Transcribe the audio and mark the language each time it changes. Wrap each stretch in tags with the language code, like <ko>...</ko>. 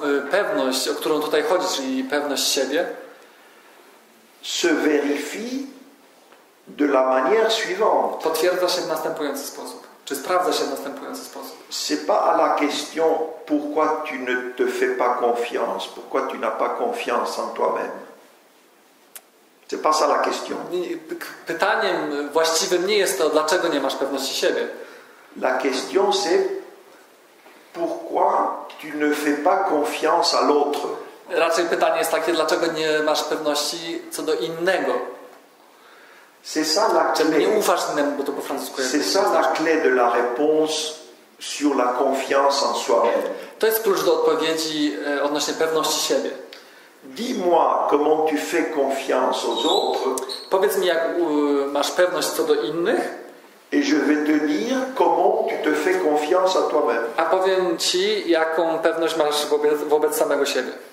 <pl>Pewność, o którą tutaj chodzi, czyli pewność siebie,</pl> <fr>se vérifie de la manière suivante.</fr> <pl>Potwierdza się w następujący sposób. Czy sprawdza się w następujący sposób?</pl> <fr>C'est pas à la question pourquoi tu ne te fais pas confiance, pourquoi tu n'as pas confiance en toi-même. C'est pas ça la question.</fr> <pl>Pytaniem właściwym nie jest to, dlaczego nie masz pewności siebie.</pl> <fr>La question c'est pourquoi tu ne fais pas confiance à l'autre.</fr> <pl>Raczej pytanie jest takie, dlaczego nie masz pewności co do innego.</pl> <fr>C'est ça la clé.</fr> <pl>Nie ufasz innemu, bo to po francusku jest.</pl> <fr>C'est ça la clé de la réponse sur la confiance en soi-même.</fr> <pl>To jest klucz do odpowiedzi odnośnie pewności siebie.</pl> <fr>Dis-moi comment tu fais confiance aux autres.</fr> <pl>Powiedz mi, jak masz pewność co do innych.</pl> <fr>Et je vais te dire comment tu te fais confiance à toi-même.</fr> <pl>A powiem ci, jaką pewność masz wobec samego siebie.</pl>